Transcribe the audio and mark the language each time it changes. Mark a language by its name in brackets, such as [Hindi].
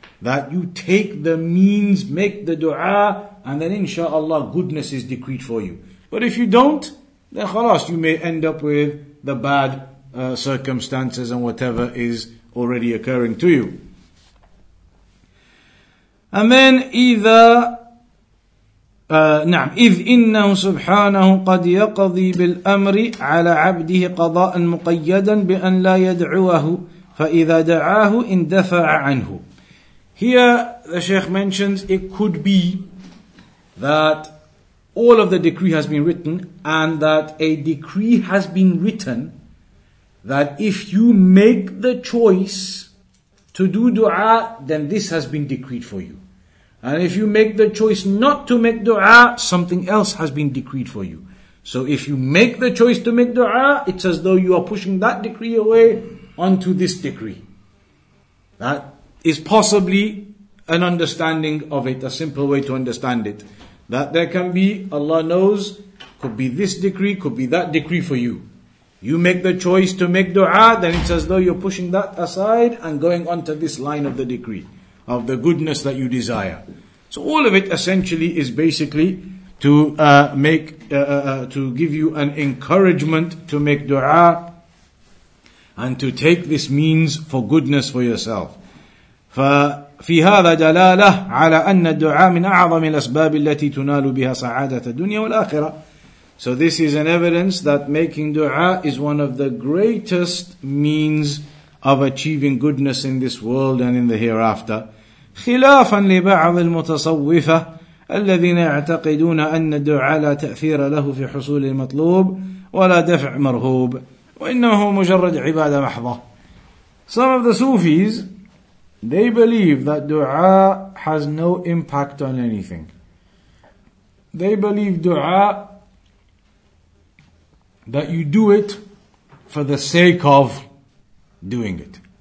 [English] That you take the means, make the dua, and then inshallah goodness is decreed for you. But if you don't, then khalas, you may end up with the bad circumstances and whatever is already occurring to you. And then [Arabic] إذ إنه سبحانه قد يقضي بالأمر على عبده قضاء مقيدا بأن لا يدعوه فإذا دعاه اندفع عنه. [English] Here the Shaykh mentions it could be that all of the decree has been written, and that a decree has been written that if you make the choice to do dua, then this has been decreed for you. And if you make the choice not to make dua, something else has been decreed for you. So if you make the choice to make dua, it's as though you are pushing that decree away onto this decree. That is possibly an understanding of it, a simple way to understand it. That there can be, Allah knows, could be this decree, could be that decree for you. You make the choice to make dua, then it's as though you're pushing that aside and going onto this line of the decree, of the goodness that you desire. So all of it essentially is basically to give you an encouragement to make dua and to take this means for goodness for yourself. [Arabic] ففي هذا دلالة على أن الدعاء من أعظم الأسباب التي تنال بها سعادة الدنيا والآخرة. [English] So this is an evidence that making dua is one of the greatest means of achieving goodness in this world and in the hereafter. [Arabic] خلافا لبعض المتصوفة الذين يعتقدون أن الدعاء لا تأثير له في حصول المطلوب ولا دفع مرهوب وإنما هو مجرد عبادة محضة. [English] Some of the Sufis, they believe that dua has no impact on anything. They believe dua, that you do it for the sake of doing it.